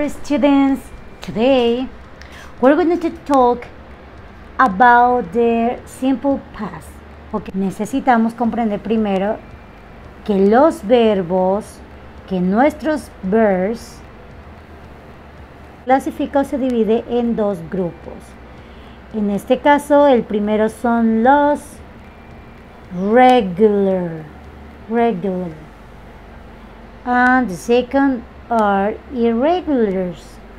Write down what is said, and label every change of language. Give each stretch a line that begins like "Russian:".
English: students, today we're going to talk about the simple past. Okay.
Spanish: Necesitamos comprender primero que los verbos, que nuestros verbs, clasifican o se divide en dos grupos. En este caso, el primero son los regular.
English: And the second are irregulars.